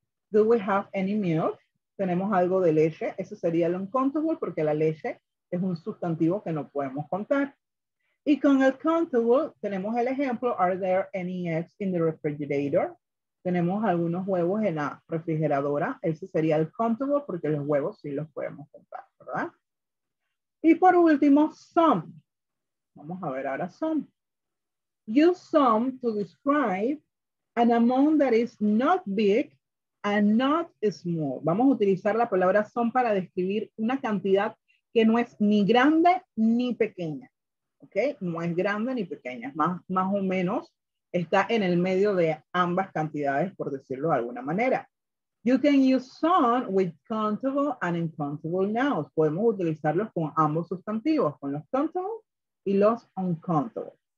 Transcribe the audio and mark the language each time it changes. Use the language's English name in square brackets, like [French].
[English] Do we have any milk? [Spanish] Tenemos algo de leche. Eso sería el uncountable porque la leche es un sustantivo que no podemos contar. Y con el countable tenemos el ejemplo. [English] Are there any eggs in the refrigerator? [Spanish] Tenemos algunos huevos en la refrigeradora. Ese sería el countable porque los huevos sí los podemos contar, ¿verdad? Y por último, some. Vamos a ver ahora some. [English] Use some to describe an amount that is not big and not small. [Spanish] Vamos a utilizar la palabra some para describir una cantidad que no es ni grande ni pequeña. ¿Ok? No es grande ni pequeña. Más o menos está en el medio de ambas cantidades, por decirlo de alguna manera. [English] You can use some with countable and uncountable nouns. [Spanish] Podemos utilizarlos con ambos sustantivos, con los countable y los uncountable.